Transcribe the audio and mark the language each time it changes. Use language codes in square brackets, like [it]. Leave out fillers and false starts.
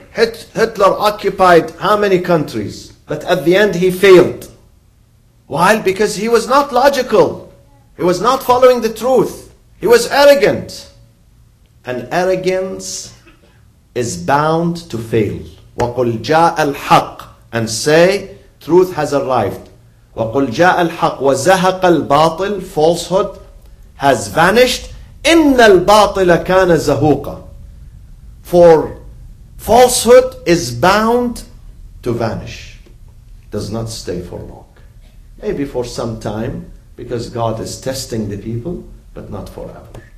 [en] Hitler occupied how many countries? But at the end he failed. Why? Because he was not logical. He was not following the truth. He was arrogant. And arrogance is bound to fail. [ar] وَقُلْ جَاءَ الْحَقِّ [en] And say, truth has arrived. [ar] وَقُلْ جَاءَ الْحَقِّ وَزَهَقَ الْبَاطِلِ [en] Falsehood has vanished. [ar] إِنَّ الْبَاطِلَ كَانَ زَهُوقًا [en] For falsehood is bound to vanish. Does not stay for long. Maybe for some time, because God is testing the people, but not forever.